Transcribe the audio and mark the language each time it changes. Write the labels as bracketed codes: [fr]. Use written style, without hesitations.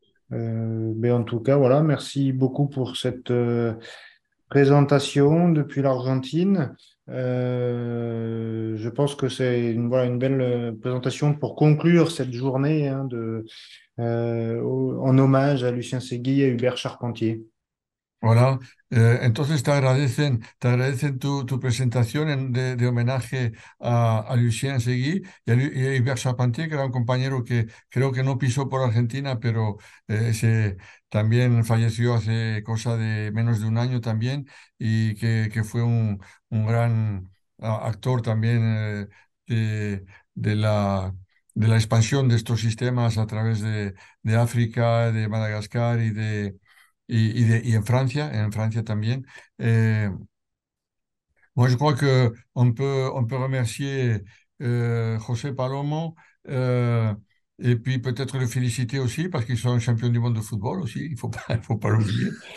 [fr] Mais en tout cas, voilà, merci beaucoup pour cette présentation depuis l'Argentine. Je pense que c'est voilà, une belle présentation pour conclure cette journée hein, en hommage à Lucien Segui et à Hubert Charpentier. [es] Voilà, entonces te agradecen tu presentación de homenaje a Lucien Seguí y a Hubert Charpentier, que era un compañero que creo que no pisó por Argentina, pero ese también falleció hace cosa de menos de un año también, y que fue un gran actor también de la expansión de estos sistemas a través de África, de Madagascar y de... Y en Francia también. [fr] Moi, je crois que on peut remercier José Palomo, et puis peut-être le féliciter aussi, parce qu'ils sont champions du monde de football aussi, il faut pas l'oublier.